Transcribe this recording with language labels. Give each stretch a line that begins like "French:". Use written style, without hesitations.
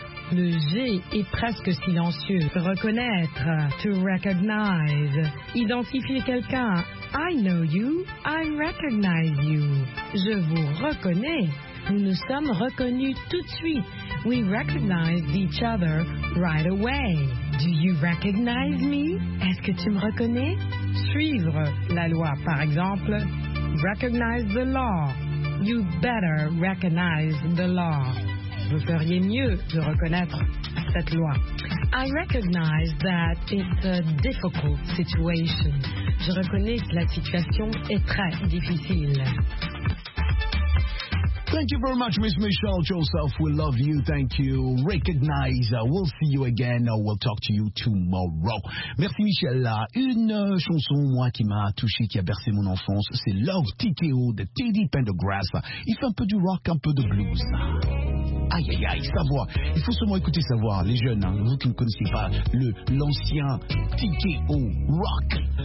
French: Le G est presque silencieux. Reconnaître,
English: to recognize.
French: Identifier quelqu'un.
English: I know you, I recognize you.
French: Je vous reconnais. Nous nous sommes reconnus tout de suite.
English: we recognized each other right away. Do you recognize me?
French: Est-ce que tu me reconnais? Suivre la loi, par exemple.
English: Recognize the law. You better recognize the law.
French: Vous feriez mieux de reconnaître cette loi.
English: I recognize that it's a difficult situation.
French: Je reconnais que la situation est très difficile.
English: Thank you very much, Miss Michelle Joseph. We love you. Thank you. Recognize. We'll see you again. We'll talk to you tomorrow.
French: Merci, Michelle. Une chanson, moi, qui m'a touché, qui a bercé mon enfance, c'est Love TKO de Teddy Pendergrass. Il fait un peu du rock, un peu de blues. Aïe, aïe, aïe, sa voix. Il faut seulement écouter sa voix, les jeunes, hein, vous qui ne connaissez pas l'ancien TKO rock.